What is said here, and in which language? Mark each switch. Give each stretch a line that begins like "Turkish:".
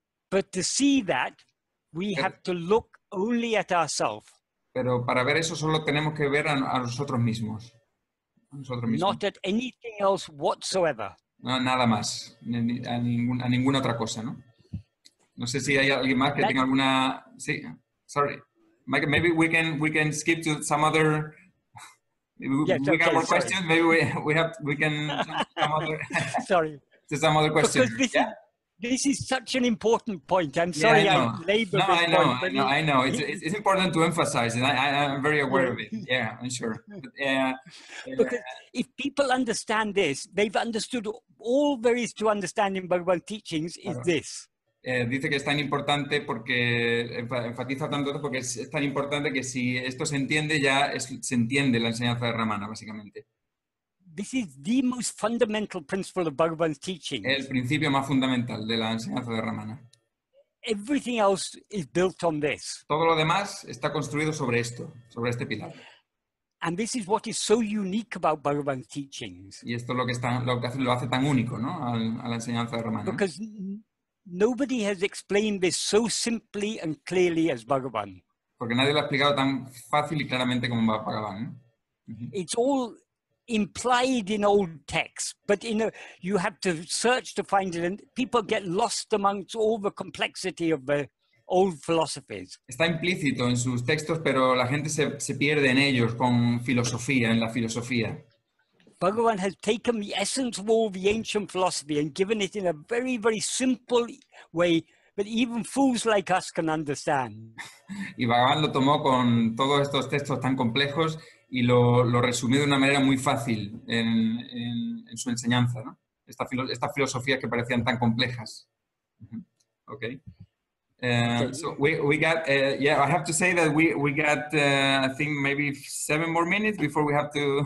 English: But to see that, we have to look only at ourselves.
Spanish: Pero para ver eso solo tenemos que ver a nosotros mismos.
English: Not at anything else whatsoever.
Spanish: No, nada más. A ninguna otra cosa, ¿no? No sé si hay alguien más que tenga alguna.
English: Sí. Sorry. Mike, maybe we can skip to some other. Yes, we got more questions. Maybe we can jump to some other. Sorry. To some other question. This is such an important point. I'm sorry I labor. No, this I know. Point, no, I know. It's important to emphasize, and I'm very aware of it. Yeah, I'm sure. But, because if people understand this, they've understood all there is to understand in Bhagavan teachings is this.
Spanish: Dice que es tan importante porque enfatiza tanto porque es tan importante que si esto se entiende ya se entiende la enseñanza de Ramana básicamente.
English: This is the most fundamental principle of Bhagavan's teaching.
Spanish: El principio más fundamental de la enseñanza de Ramana.
English: Everything else is built on this.
Spanish: Todo lo demás está construido sobre esto, sobre este pilar.
English: And this is what is so unique about Bhagavan's teachings.
Spanish: Y esto es lo que hace tan único, ¿no? A la enseñanza de Ramana.
English: Because nobody has explained this so simply and clearly as Bhagavan.
Spanish: Porque nadie lo ha explicado tan fácil y claramente como Bhagavan.
English: It's all implied in old texts, but you have to search to find it, and people get lost amongst all the complexity of the old philosophies.
Spanish: Está implícito en sus textos, pero la gente se pierde en ellos con filosofía, en la filosofía.
English: Bhagavan has taken the essence of all the ancient philosophy and given it in a very, very simple way that even fools like us can understand.
Spanish: Y Bhagavan lo tomó con todos estos textos tan complejos. Y lo resumió de una manera muy fácil en su enseñanza, ¿no? Estas filosofías que parecían tan complejas. Okay.
English: I have to say that we got I think maybe 7 more minutes before we have to